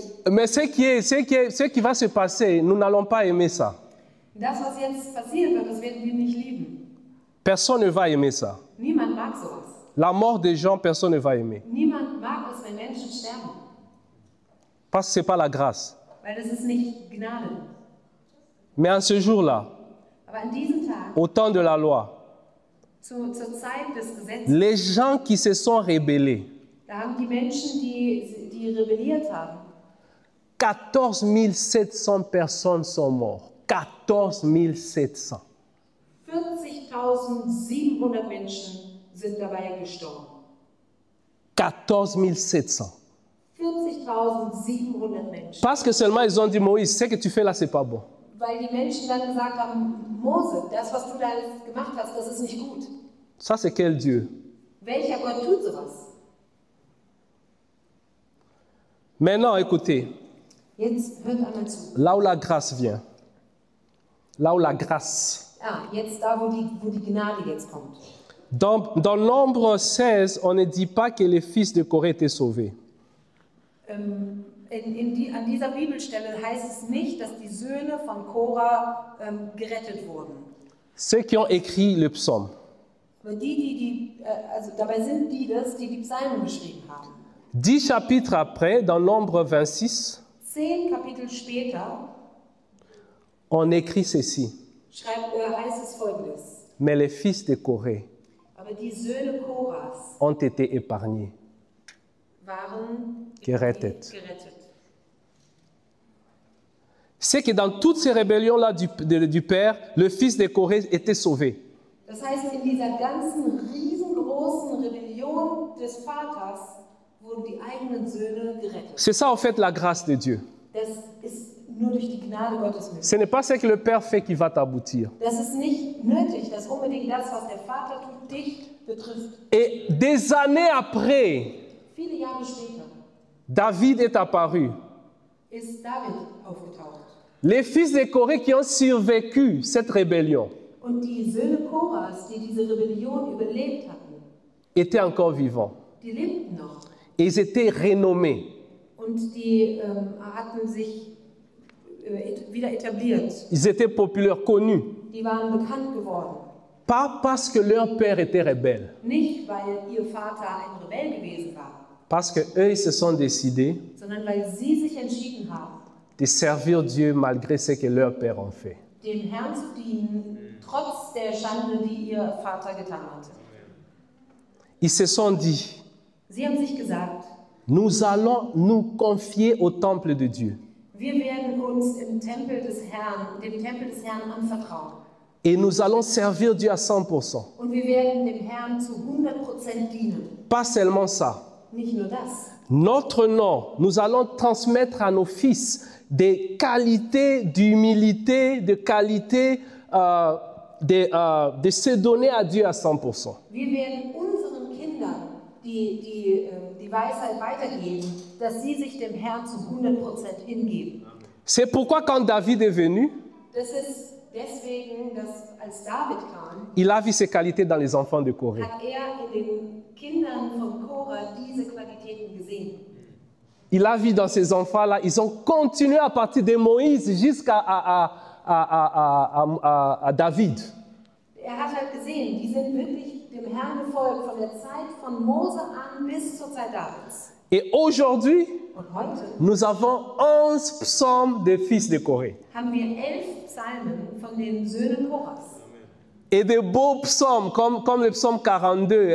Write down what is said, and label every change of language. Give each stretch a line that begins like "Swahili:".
French: Mais ce qui va se passer, nous n'allons pas aimer ça.
German: Das, was jetzt passiert, das werden wir nicht lieben.
French: Personne ne va aimer ça.
German: Niemand mag sowas.
French: La mort des gens, personne ne va aimer.
German: Niemand mag es, wenn Menschen sterben.
French: Parce que c'est pas la grâce.
German: Weil das ist nicht Gnade.
French: Mais en ce jour-là,
German: aber an diesem Tag,
French: au temps de la loi,
German: zur Zeit des Gesetzes,
French: les gens qui se sont rebellés,
German: da haben die Menschen, die rebelliert haben. 14.700 Personen sind mortes. 14.700. 40.700 Menschen sind dabei gestorben.
French: 14.700.
German: 40.700 Menschen.
French: Parce que seulement ils ont dit, Moïse, ce que tu fais là, c'est pas bon.
German: Weil die Menschen dann gesagt haben, Mose, das, was du da gemacht hast, das ist nicht gut.
French: Ça, c'est quel Dieu?
German: Welcher Gott tut sowas?
French: Maintenant, écoutez,
German: jetzt hört einmal zu.
French: Là où la grâce vient, là où la grâce,
German: jetzt da, wo die Gnade jetzt kommt.
French: Dans Nombre 16, on ne dit pas que les fils de Korah étaient sauvés.
German: An dieser Bibelstelle heißt es nicht, dass die Söhne von Korah gerettet wurden.
French: Ceux qui ont écrit le psaume.
German: Dabei sind die Psalmen geschrieben haben.
French: 10 chapitres après, dans Nombre 26,
German: 10 Kapitel später,
French: on écrit ceci.
German: Heißt es folgendes.
French: Mais les fils de Korah
German: aber die Söhne Korahs
French: ont été épargnés.
German: waren gerettet.
French: C'est que dans toutes ces rébellions-là du Père, le fils de Corée était sauvé.
German: Das heißt, in dieser ganzen riesengroßen Rebellion des Vaters wurden die eigenen Söhne gerettet.
French: C'est ça en fait la grâce de Dieu.
German: Das ist nur durch die Gnade Gottes möglich.
French: Ce n'est pas ce que le Père fait qui va t'aboutir.
German: Das ist nicht nötig, dass unbedingt das, was der Vater tut, dich betrifft.
French: Et des années après,
German: viele Jahre später,
French: David est apparu.
German: Ist David aufgetaucht.
French: Les fils de Corée qui ont survécu cette rébellion.
German: Und die Söhne Korahs, die diese Rebellion überlebt hatten,
French: étaient encore vivants.
German: Die lebten noch.
French: Et ils étaient renommés.
German: Und die hatten sich wieder etabliert.
French: Ils étaient populaires, connus.
German: Die waren bekannt geworden.
French: Pas parce que leur père était rebelle.
German: Nicht weil ihr Vater ein Rebell gewesen war.
French: Parce que eux, ils se sont décidés.
German: Sondern weil sie sich entschieden haben.
French: De servir Dieu malgré ce que leur père en fait.
German: Dem Herrn zu dienen, trotz der Schande, die ihr Vater getan hatte.
French: Ils se sont dit,
German: sie haben sich gesagt,
French: nous allons nous confier au temple de Dieu.
German: Wir werden uns im Tempel des Herrn, dem Tempel des Herrn anvertrauen.
French: Et nous allons servir Dieu à 100%.
German: Und wir werden dem Herrn zu 100% dienen.
French: Pas seulement ça.
German: Nicht nur das.
French: Notre nom, nous allons transmettre à nos fils des qualités d'humilité, des qualités de se donner à Dieu à 100%.
German: Wir werden unseren Kindern die Weisheit weitergeben, dass sie sich dem Herrn zu 100% hingeben.
French: C'est pourquoi quand David est venu,
German: das ist deswegen, dass als David kam,
French: il a vu ses qualités dans les enfants de Corée.
German: Hat er in den Kindern von Korah diese Qualitäten gesehen.
French: Il a vu dans ces enfants-là, ils ont continué à partir de Moïse jusqu'à à David.
German: Er hat halt gesehen, die sind wirklich dem Herrn gefolgt von der Zeit von Mose an bis zur Zeit Davids.
French: Et aujourd'hui,
German: heute,
French: nous avons 11 psaumes des fils de Corée.
German: Haben wir 11 Psalmen von den Söhnen Korahs.
French: Et des beaux psaumes comme le psaume 42.